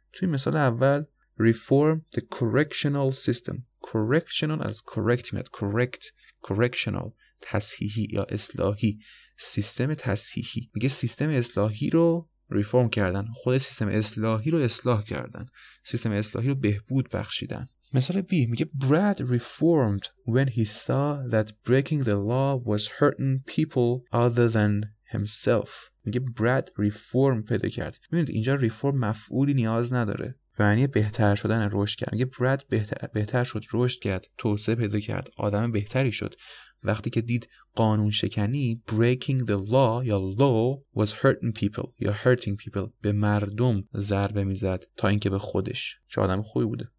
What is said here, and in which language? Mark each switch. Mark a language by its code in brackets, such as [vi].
[fa] توی مثال اول، [en] reform the correctional system، [fa] correctional از correct میاد، correct، correctional تصحیحی یا اصلاحی، سیستم تصحیحی، میگه سیستم اصلاحی رو ریفرم کردن، خود سیستم اصلاحی رو اصلاح کردن، سیستم اصلاحی رو بهبود بخشیدن. مثال B، میگه [en] Brad reformed when he saw that breaking the law was hurting people other than himself، میگه Brad reform [fa] پیدا کرد. ببینید اینجا reform مفعولی نیاز نداره، معنی بهتر شدن، رشد کرد. میگه براد بهتر شد، رشد کرد، توسعه پیدا کرد، آدم بهتری شد وقتی که دید قانون شکنی، [en] breaking the law [fa] یا [en] law was hurting people [fa] یا [en] hurting people، [fa] به مردم ضربه میزد تا اینکه به خودش، چه آدم خوبی بوده.